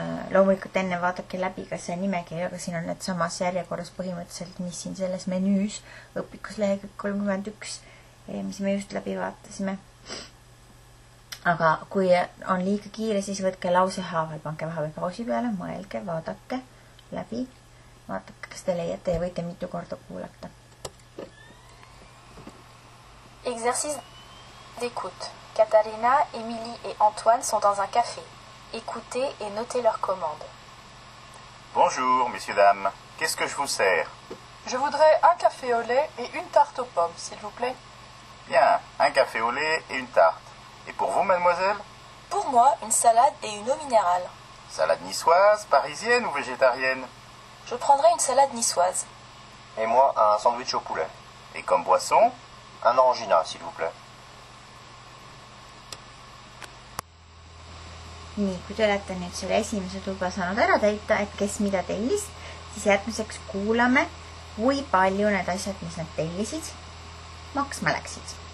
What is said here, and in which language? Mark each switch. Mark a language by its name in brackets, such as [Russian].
[Estonian] Loomulikult enne vaadake läbi ka see nimekirja, aga siin on need samas järjekorras põhimõtteliselt, mis siin selles menüüs, õpikus lehekülg 31, mis me just läbi vaatasime. Aga kui on liiga kiire, siis võtke lause haaval, pange vahepeal pausi peale, mõelge, vaadake läbi. Vaatake, kas te leiate ja võite mitu korda kuulata. [French] Exercice d'écoute. Catalina, Émilie et Antoine sont dans un café. Écoutez et notez leurs commandes. Bonjour, messieurs, dames. Qu'est-ce que je vous sers ? Je voudrais un café au lait et une tarte aux pommes, s'il vous plaît. Bien, un café au lait et une tarte. Et pour vous, mademoiselle ? Pour moi, une salade et une eau minérale. Salade niçoise, parisienne ou végétarienne ? Je prendrai une salade niçoise. Et moi, un sandwich au poulet. Et comme boisson ? Un orangina, s'il vous plaît. [Estonian] Nii, kui te olete nüüd selle esimese tuba saanud ära täita, et kes mida tellis, siis järgmiseks kuulame, kui palju need asjad, mis nad tellisid, maksma läksid.